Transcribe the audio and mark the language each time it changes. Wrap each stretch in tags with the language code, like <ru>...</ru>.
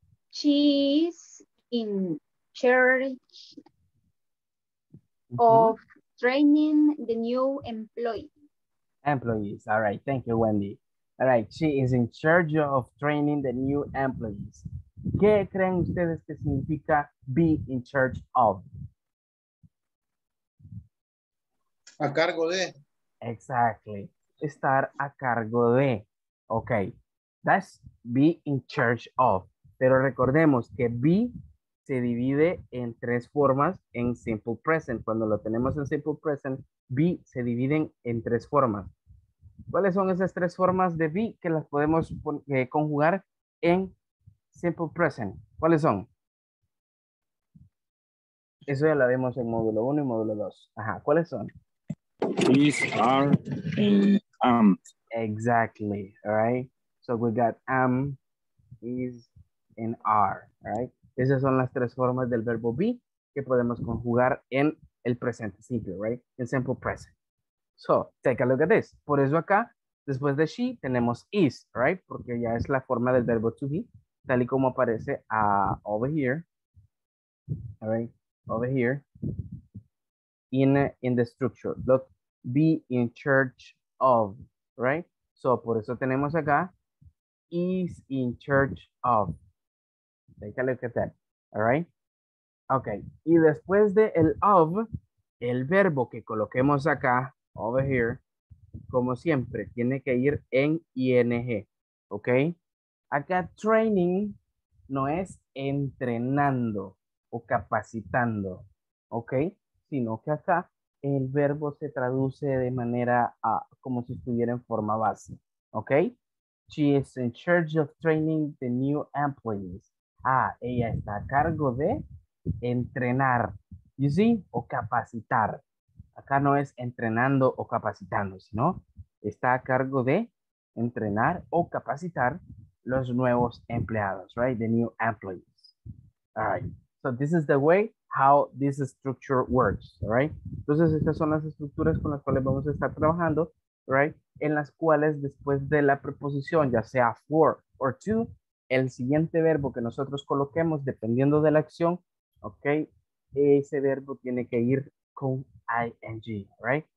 <en>She's in charge of training the new employee. Employees. All right. Thank you, Wendy. All right. She is in charge of training the new employees.</en> <es>¿Qué creen ustedes que significa be in charge of? A cargo de. Exactly. Estar a cargo de. Okay.</es> <en>That's be in charge of.</en> <es>Pero recordemos que be se divide en tres formas en simple present. Cuando lo tenemos en simple present, be se dividen en tres formas. ¿Cuáles son esas tres formas de be que las podemos conjugar en simple present? ¿Cuáles son? Eso ya lo vemos en módulo 1 y módulo 2. Ajá. ¿Cuáles son?</es> <en>These are, Exactly, all right? So we got am, is, and are, all right?</en> <es>Esas son las tres formas del verbo be que podemos conjugar en el presente simple, right? En simple present. So,</es> <en>take a look at this.</en> <es>Por eso acá, después de she, tenemos is, right? Porque ya es la forma del verbo to be, tal y como aparece</es> <en>over here,</en> <es>all right?</es> <en>Over here, in the structure. Look, be in charge of, right?</en> <es>So, por eso tenemos acá, is in charge of.</es> <en>Take a look at that, all right?</en> <es>Okay, y después de el of, el verbo que coloquemos acá,</es> <en>over here,</en> <es>como siempre, tiene que ir en ing, okay? Acá training no es entrenando o capacitando, okay? Sino que acá el verbo se traduce de manera como si estuviera en forma base, okay?</es> <en>She is in charge of training the new employees.</en> <es>Ah, ella está a cargo de entrenar,</es> <en>you see,</en> <es>o capacitar. Acá no es entrenando o capacitando, sino está a cargo de entrenar o capacitar los nuevos empleados, right?</es> <en>The new employees.</en> <es>All right.</es> <en>So this is the way how this structure works, right?</en> <es>Entonces estas son las estructuras con las cuales vamos a estar trabajando, right? En las cuales después de la preposición, ya sea for or to, el siguiente verbo que nosotros coloquemos, dependiendo de la acción, okay, ese verbo tiene que ir con ing, right?</es>